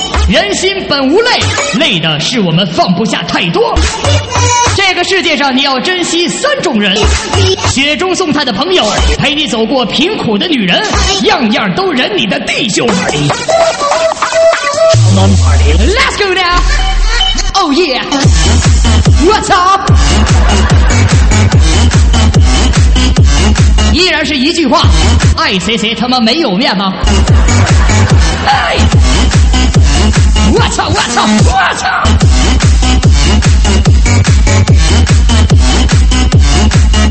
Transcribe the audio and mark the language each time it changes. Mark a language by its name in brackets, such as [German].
[Chinese] 人心本无累，累的是我们放不下太多。这个世界上你要珍惜三种人：雪中送炭的朋友，陪你走过贫苦的女人，样样都忍你的弟兄。 [English] Let's go now. Oh yeah. What's up? [Chinese] 依然是一句话，爱谁谁他妈没有面子。哎，我操我操我操！